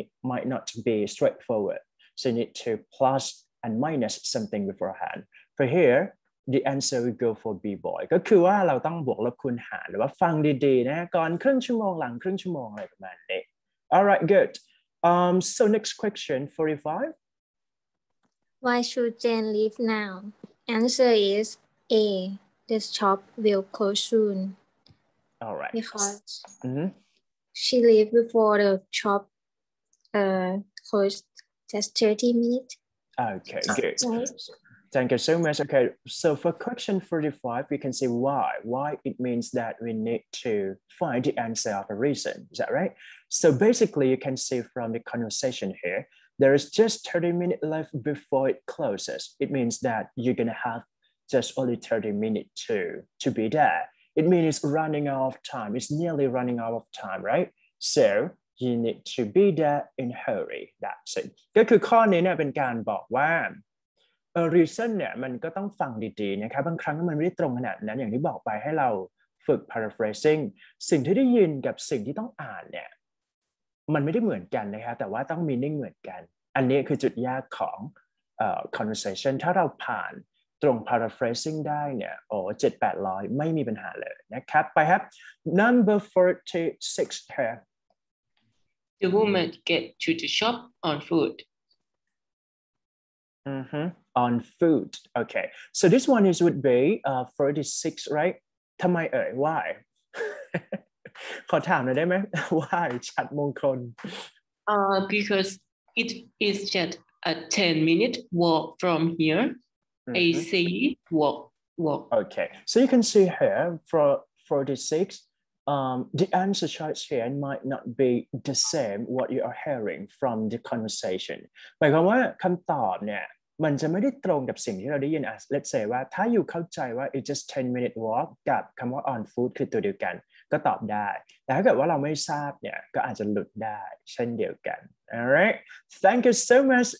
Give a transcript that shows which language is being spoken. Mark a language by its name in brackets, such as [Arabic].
[English] might not be straightforward so you need to plus and minus something beforehand for here the answer will go for b boy [Thai] ก็คือว่าเราต้องบวกลบคูณหารหรือว่าฟังดีๆนะก่อนครึ่งชั่วโมงหลังครึ่งชั่วโมงอะไรประมาณนี้ [English] all right good so next question 45 why should Jane leave now answer is a this shop will close soon all right because She leave before the shop closed just 30 minutes. Okay, good. Thank you so much. Okay, so for question 45, we can see why. Why it means that we need to find the answer of a reason. Is that right? So basically, you can see from the conversation here, there is just 30 minutes left before it closes. It means that you're going to have just only 30 minutes to be there. It means it's running out of time. It's nearly running out of time, right? So you need to be there in a hurry. That's it. [Thai] ก็คือข้อนี้เนี่ยเป็นการบอกว่า reason เนี่ยมันก็ต้องฟังดีๆนะครับบางครั้งมันไม่ได้ตรงขนาดนั้นอย่างที่บอกไปให้เราฝึก paraphrasing สิ่งที่ได้ยินกับสิ่งที่ต้องอ่านเนี่ยมันไม่ได้เหมือนกันนะครับแต่ว่าต้อง meaning เหมือนกันอันนี้คือจุดยากของconversation ถ้าเราผ่านตรง paraphrasing ได้เนี่ยโอ้7-800ไม่มีปัญหาเลยนะครับไปครับ number 46 here [English] the woman get to the shop on foot on foot okay so this one is would be 46 right [Thai] ทำไมเอ่ย [English] why [Thai] ขอถามหน่อยได้ไหม [English] why ฉัตรมงคล because it is just a 10 minute walk from hereAC walk. Okay, so you can see here for 46, the answer choice here might not be the same what you are hearing from the conversation. [Thai] หมายความว่าคำตอบเนี่ยมันจะไม่ได้ตรงกับสิ่งที่เราได้ยิน [English] Let's say [Thai] ว่าถ้าอยู่เข้าใจว่า [English] it's just 10 minute walk [Thai] กับคำว่า on foot คือตัวเดียวกันก็ตอบได้แต่ถ้าเกิดว่าเราไม่ทราบเนี่ยก็อาจจะหลุดได้เช่นเดียวกัน [English] Alright, thank you so much.